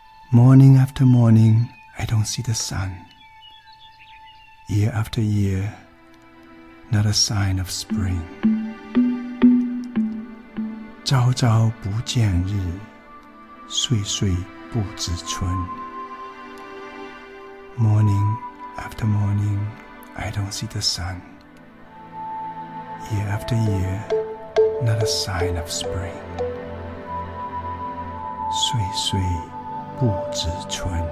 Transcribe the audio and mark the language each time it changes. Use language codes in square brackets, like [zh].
[en] Morning after morning, I don't see the sun. Year after year, not a sign of spring. [zh] 朝朝不见日，岁岁不知春。 [en] Morning after morning, I don't see the sun. Year after year, not a sign of spring. [zh] 岁岁不知春。